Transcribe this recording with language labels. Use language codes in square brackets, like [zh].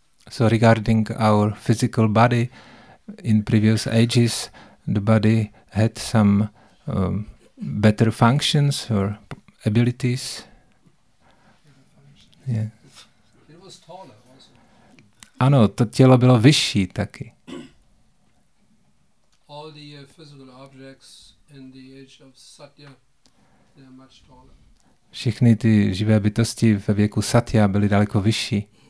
[en] So regarding our physical body, in previous ages, the body had some better functions or abilities. Yeah. It was taller also. [cs] Ano, to tělo bylo vyšší taky. [en] All the physical objects in the age of Satya, they are much taller. [cs] Všechny ty živé bytosti ve věku Satya byly daleko vyšší.